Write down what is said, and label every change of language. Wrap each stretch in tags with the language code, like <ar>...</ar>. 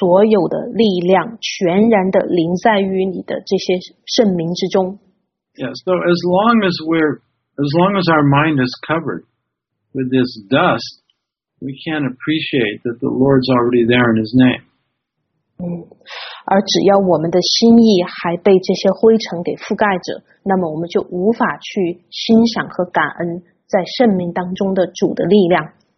<zh>而你个人是带着你所有的力量, 全然的临在于你的这些圣名之中。</zh> <en>Yeah, so as long as our mind is covered with this dust, we can't appreciate that the Lord's already there in His name.</en> <zh>而只要我们的心意还被这些灰尘给覆盖着, 那么我们就无法去欣赏和感恩在圣名当中的主的力量。</zh>